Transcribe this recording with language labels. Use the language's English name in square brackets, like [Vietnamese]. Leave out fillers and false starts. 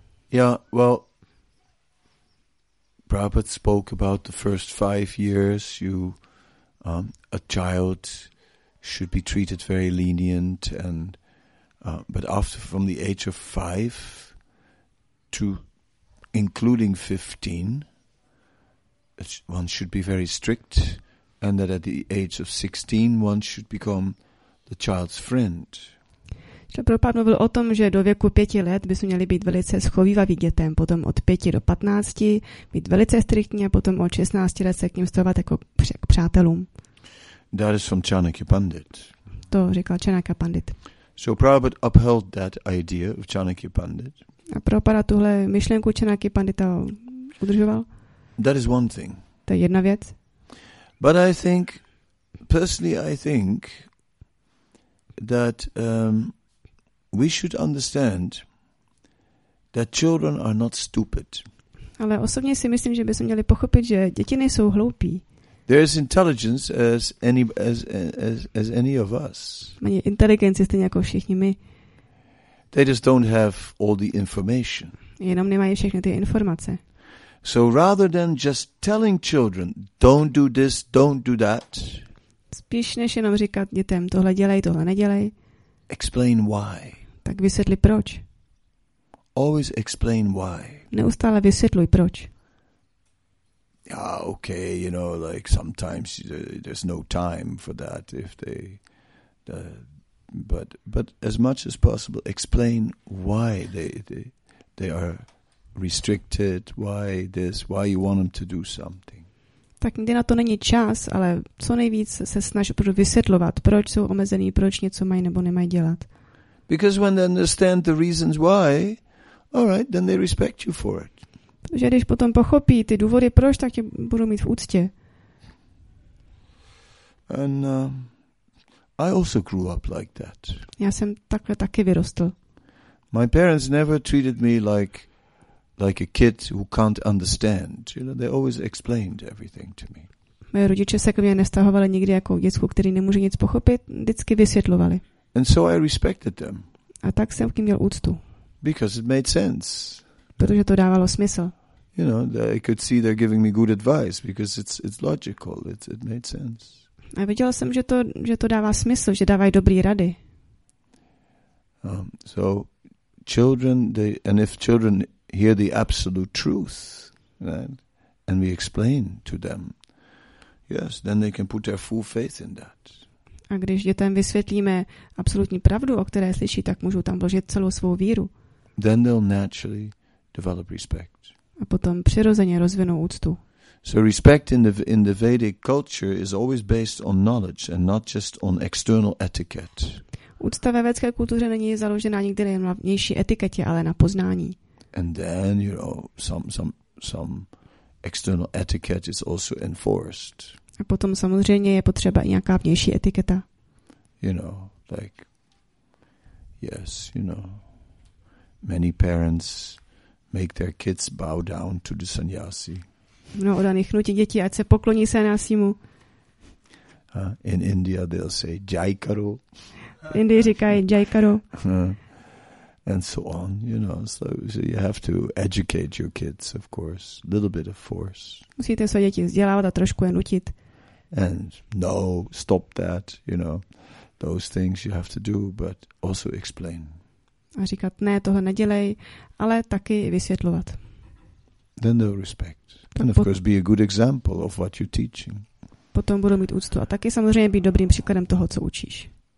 [English] Yeah, well, Prabhupada spoke about the first 5 years a child should be treated very lenient, and but after, from the age of 5 to including 15, one should be very strict, and that at the age of 16 one should become the child's friend. [Czech] Čo Prabhupada mluvil o tom, že do věku 5 let by se měli být velice schovývaví dětem, potom od 5 do 15 být velice striktní a potom od 16 let se k ním stavovat jako k přátelům. [English] That is from Chanakya Pandit. [Czech] To říkal Chanakya Pandit. [English] So Prabhupada upheld that idea of Chanakya Pandit. [Czech] A Prabhupada tuhle myšlenku Chanakya Pandita udržoval? [English] That is one thing. [Czech] To je jedna věc. [English] But I think, personally I think, that we should understand that children are not stupid. [Czech] Ale osobně si myslím, že bychom měli pochopit, že děti nejsou hloupí. [English] There is intelligence as any of us. [Czech] Mají inteligenci stejně jako všichni my. [English] They just don't have all the information. [Czech] Jenom nemají všechny ty informace. [English] So rather than just telling children, don't do this, don't do that. [Czech] Spíš než jenom říkat dětem, tohle dělej, tohle nedělej. [English] Explain why. [Czech] Tak vysvětli proč. [English] Always explain why. [Czech] Neustále vysvětluj proč. [English] Yeah, okay, you know, like sometimes there's no time for that if they but as much as possible explain why they are restricted, why this, why you want them to do something. [Czech] Tak někdy na to není čas, ale co nejvíc se snaž opravdu vysvětlovat, proč jsou omezení, proč něco mají nebo nemají dělat. [English] Because when they understand the reasons why, all right, then they respect you for it. [Czech] Že když potom pochopí ty důvody proč, tak tě budou mít v úctě. [English] And I also grew up like that. [Czech] Já jsem takhle taky vyrostl. [English] My parents never treated me like a kid who can't understand. You know, they always explained everything to me. [Czech] Moje rodiče se ke mně nestahovali nikdy jako dětku, který nemůže nic pochopit, vždycky vysvětlovali. [English] And so I respected them. [Czech] A tak jsem k ním měl úctu. [English] Because it made sense. [Czech] Protože to dávalo smysl. [English] You know, I could see they're giving me good advice because it's logical. It made sense. [Czech] A viděl jsem, že to dává smysl, že dávají dobrý rady. [English] So children, and if children hear the absolute truth, right, and we explain to them, yes, then they can put their full faith in that. [Czech] A když dětem vysvětlíme absolutní pravdu, o které slyší, tak můžou tam vložit celou svou víru. [English] Then they'll naturally develop respect. [Czech] A potom přirozeně rozvinou úctu. [English] So respect in the Vedic culture is always based on knowledge and not just on external etiquette. [Czech] Úcta ve védské kultuře není založena nikdy nejen na vnější etiketě, ale na poznání. [English] And then, you know, some external etiquette is also enforced. [Czech] A potom samozřejmě je potřeba i nějaká vnější etiketa. [English] You know, like, yes, you know, many parents make their kids bow down to the sannyasi. [Czech] No, odaných nutí děti, ať se pokloní sannyasimu. [English] In India they'll say jai karo. [Czech] Indii říkají jai karo. [English] And so on, you know, so you have to educate your kids, of course, a little bit of force. [Czech] Musíte své děti vzdělávat a trošku je nutit. [English] And no, stop that, you know, those things you have to do, but also explain. [Czech] A říkat, ne, toho nedělej, ale taky vysvětlovat. [English] Then they'll respect. And of course be a good example of what you're teaching. [Czech] Potom budou mít úctu a taky samozřejmě být dobrým příkladem toho, co učíš.